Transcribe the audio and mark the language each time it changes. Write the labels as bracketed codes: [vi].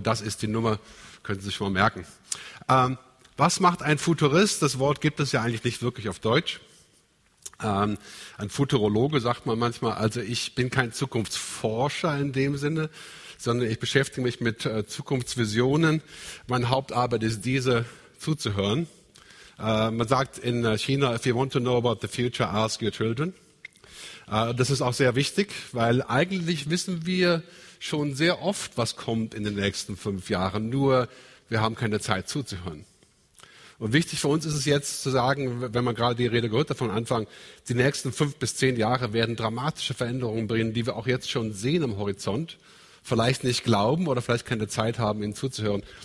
[de] Das ist die Nummer, können Sie sich schon mal merken. Was macht ein Futurist? Das Wort gibt es ja eigentlich nicht wirklich auf Deutsch. Ein Futurologe sagt man manchmal. Also ich bin kein Zukunftsforscher in dem Sinne, sondern ich beschäftige mich mit Zukunftsvisionen. Meine Hauptarbeit ist diese, zuzuhören. Man sagt in China, [en] if you want to know about the future, ask your children. [de] Das ist auch sehr wichtig, weil eigentlich wissen wir schon sehr oft, was kommt in den nächsten 5 Jahren, nur wir haben keine Zeit zuzuhören. Und wichtig für uns ist es jetzt zu sagen, wenn man gerade die Rede gehört hat von Anfang, die nächsten 5 bis 10 Jahre werden dramatische Veränderungen bringen, die wir auch jetzt schon sehen am Horizont, vielleicht nicht glauben oder vielleicht keine Zeit haben, ihnen zuzuhören.